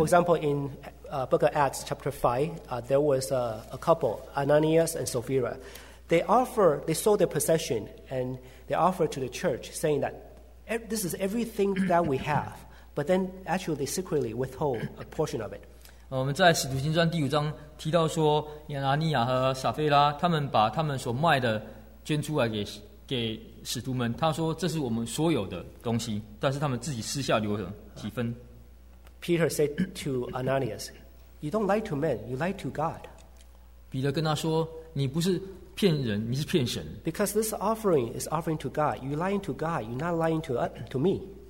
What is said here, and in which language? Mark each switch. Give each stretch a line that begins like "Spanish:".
English: For example, in Book of Acts chapter 5, there was a couple, Ananias and Sapphira. They sold their possession and they offered to the church, saying that this is everything that we have. But then actually they secretly withhold a portion of it.
Chinese: 我们在《使徒行传》第五章提到说，亚拿尼亚和撒非拉他们把他们所卖的 捐出来给使徒们，他说这是我们所有的东西，但是他们自己私下留了几分。
English: Peter said to Ananias, "You don't lie to men, you lie to God."
Chinese: 彼得跟他说，你不是骗人，你是骗神。
English: Because this offering is offering to God, you lying to God, you not lying to me.